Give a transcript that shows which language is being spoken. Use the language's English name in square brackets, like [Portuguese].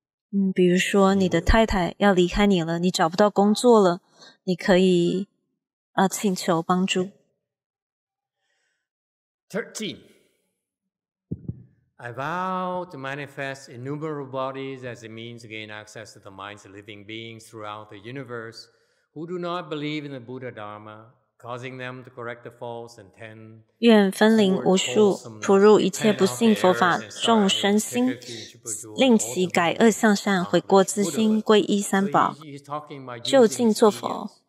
[Chinese] 嗯，比如说你的太太要离开你了，你找不到工作了，你可以请求帮助。 [English] 13. I vow to manifest innumerable bodies as a means to gain access to the minds of living beings throughout the universe who do not believe in the Buddha Dharma, causing them to correct the false and tend [Chinese] 愿分灵无数普入一切不信佛法众生心，令其改恶向善，悔过自新，皈依三宝，就近作佛。